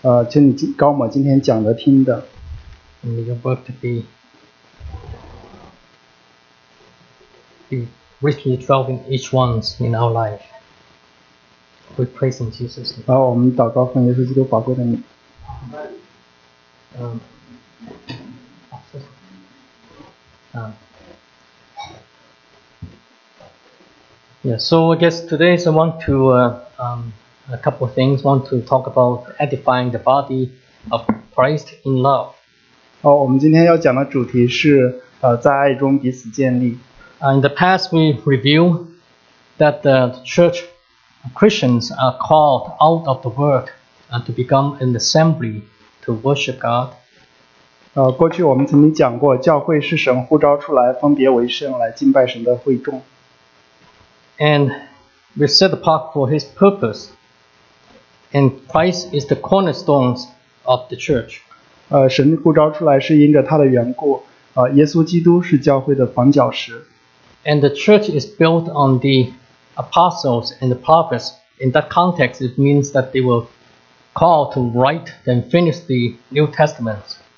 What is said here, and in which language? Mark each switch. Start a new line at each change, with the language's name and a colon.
Chinese: 就你高某今天讲的听的。
English: And you're about to be richly dwelt in each one's in our life. We praise in Jesus' name.
Chinese: 好，我们祷告奉耶稣基督宝贵的名。
English: Yeah, so I guess today I want to a couple of things. I want to talk about edifying the body of Christ in love.
Chinese: 好，我们今天要讲的主题是 在爱中彼此建立。
English: In the past, we reviewed that the church Christians are called out of the world and to become an assembly to worship God.
Chinese: 过去我们曾经讲过, 教会是神呼召出来, 分别为圣, 来敬拜神的会众。
English: And we set apart for His purpose. And Christ is the cornerstone of the church.
Chinese: 神呼召出来是因着他的缘故, 耶稣基督是教会的房角石。
English: And the church is built on the apostles and the prophets. In that context, it means that they were called to write and finish the New Testament.